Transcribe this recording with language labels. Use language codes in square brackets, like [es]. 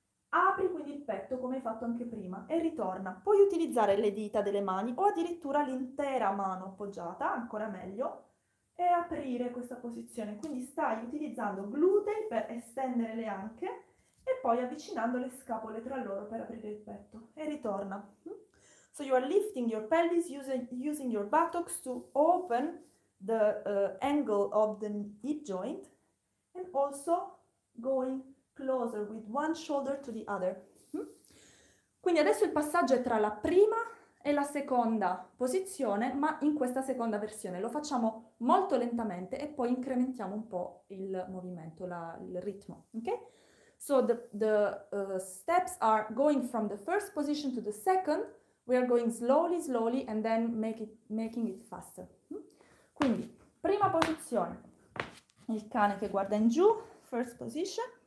[it] Apri quindi il petto come hai fatto anche prima e ritorna. Puoi utilizzare le dita delle mani o addirittura l'intera mano appoggiata, ancora meglio, e aprire questa posizione. Quindi stai utilizzando glutei per estendere le anche e poi avvicinando le scapole tra loro per aprire il petto. E ritorna. [en] So you are lifting your pelvis using your buttocks to open the angle of the hip joint and also going closer with one shoulder to the other. [it] Quindi adesso il passaggio è tra la prima e la seconda posizione, ma in questa seconda versione. Lo facciamo molto lentamente e poi incrementiamo un po' il movimento, il ritmo, ok? [en] So the steps are going from the first position to the second. We are going slowly, slowly, and then making it faster. [it] Quindi, prima posizione, il cane che guarda in giù, [en] first position.